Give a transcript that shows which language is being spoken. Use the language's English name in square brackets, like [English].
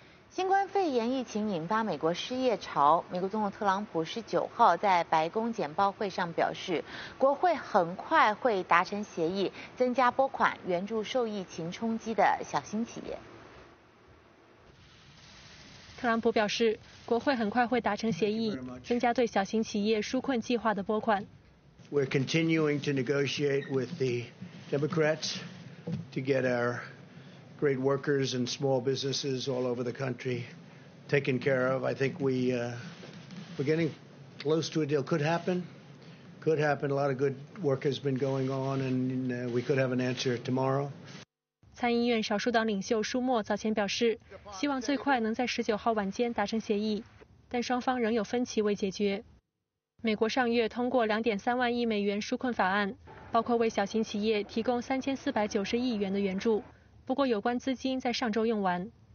[Chinese] 新冠肺炎疫情引发美国失业潮，美国总统特朗普19号在白宫简报会上表示，国会很快会达成协议，增加拨款援助受疫情冲击的小型企业。特朗普表示，国会很快会达成协议，增加对小型企业纾困计划的拨款。 [English] We're continuing to negotiate with the Democrats to get our great workers and small businesses all over the country taken care of. I think we're getting close to a deal. Could happen. A lot of good work has been going on, and we could have an answer tomorrow. [Chinese] 参议院少数党领袖舒默早前表示，希望最快能在19号晚间达成协议。但双方仍有分歧未解决。美国上月通过2.3万亿美元纾困法案，包括为小型企业提供3490亿元的援助，不过有关资金在上周用完。